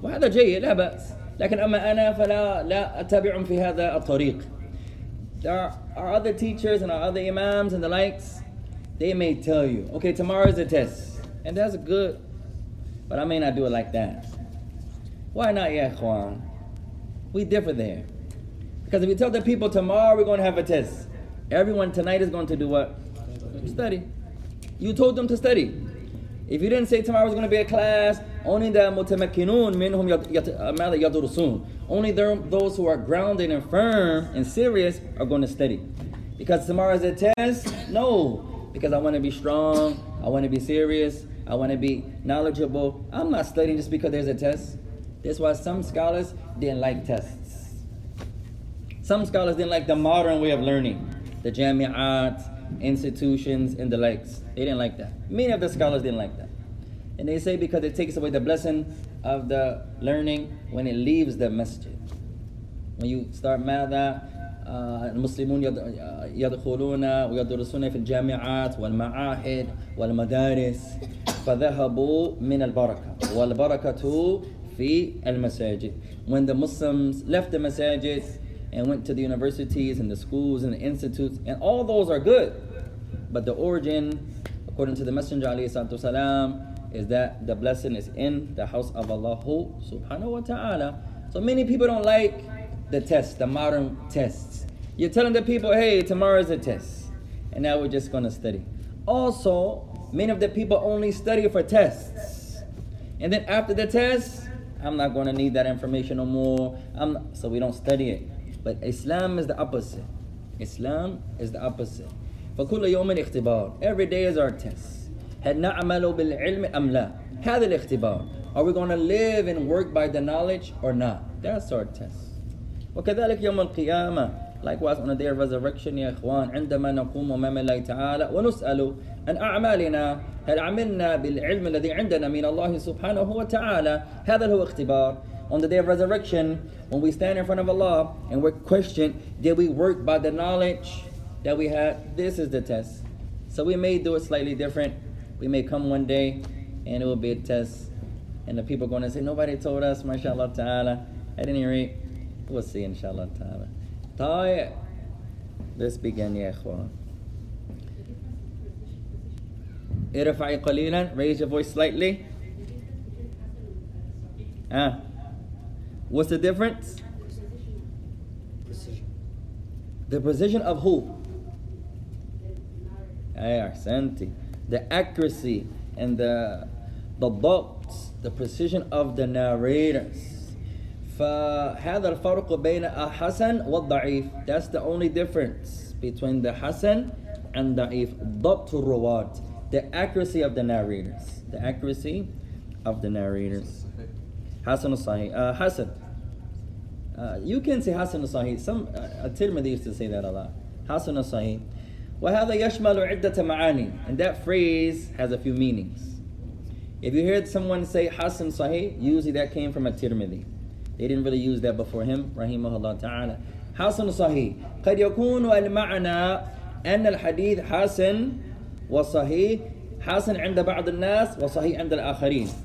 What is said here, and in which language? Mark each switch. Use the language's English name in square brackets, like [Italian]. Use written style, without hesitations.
[Arabic] وهذا جيد, لا بأس. لكن أما أنا فلا لا أتابعهم في هذا الطريق. [English] there are other teachers and our other imams and the likes, they may tell you, okay, tomorrow is a test. And that's good, but I may not do it like that. Why not, ya ikhwan? We differ there. Because if you tell the people tomorrow we're going to have a test, everyone tonight is going to do what? Study. You told them to study. If you didn't say tomorrow is going to be a class, only the [Arabic] mutamakkinun minhum yadursun. [English] Only those who are grounded and firm and serious are going to study. Because tomorrow is a test? No. Because I want to be strong. I want to be serious. I want to be knowledgeable. I'm not studying just because there's a test. That's why some scholars didn't like tests. Some scholars didn't like the modern way of learning. The jami'at, institutions, and the likes. They didn't like that. Many of the scholars didn't like that. And they say because it takes away the blessing of the learning when it leaves the masjid. When you start [Arabic] madha, المسلمون يدخلون ويدرسون في الجامعات والمعاهد والمدارس فذهبوا من البركة والبركة في المساجد. [English] When the Muslims left the masajid and went to the universities and the schools and the institutes, and all those are good, but the origin, according to the Messenger [Arabic] عليه الصلاة والسلام, [English] is that the blessing is in the house of Allah subhanahu wa ta'ala. So many people don't like the tests, the modern tests. You're telling the people, hey, tomorrow is a test, and now we're just going to study. Also, many of the people only study for tests. And then after the test, I'm not going to need that information no more. So we don't study it. But Islam is the opposite. Islam is the opposite. [Arabic] فَكُلَّ يَوْمٍ اِخْتِبَارٍ. [English] Every day is our test. [Arabic] هَلْنَعْمَلُ بِالْعِلْمِ أَمْ لَا. هَذَا الْإِخْتِبَارِ. [English] Are we going to live and work by the knowledge or not? That's our test. [Arabic] وَكَذَلِكَ يَوْمَ الْقِيَامَةِ. [English] Likewise, on the day of resurrection, [Arabic] يا إخوان, عندما نقوم أمام الله تعالى ونسأل أن أعمالنا هل عملنا بالعلم الذي عندنا من الله سبحانه وتعالى هذا هو اختبار. [English] On the day of resurrection, when we stand in front of Allah and we're questioned, did we work by the knowledge that we had? This is the test. So we may do it slightly different. We may come one day and it will be a test. And the people are going to say, nobody told us, mashallah ta'ala. At any rate, we'll see, inshallah ta'ala. Let's begin, ya ikhwan. [Arabic] Irfa'i qalilan, [English] raise your voice slightly. What's the difference? Precision. The precision of who? Ahsanti. The accuracy and the dhabt, the precision of the narrators. [Arabic] فهذا الفرق بين الحسن والضعيف. [English] That's the only difference between the حسن and ضعيف. [Arabic] ضبط الرواة. [English] The accuracy of the narrators. The accuracy of the narrators. [Arabic] حسن الصحيح. حسن. [English] You can say [Arabic] حسن الصحيح. [English] Tirmidhi used to say that a lot. حسن الصحيح. [Arabic] وهذا يشمل عدة معاني. [English] And that phrase has a few meanings. If you heard someone say حسن صحيح, usually that came from a Tirmidhi. They didn't really use that before him, rahimahullah ta'ala. Hasan sahih. [Arabic] قد يكون المعنى أن الحديث حسن وصحيح. حسن عند بعض الناس وصحيح عند الآخرين.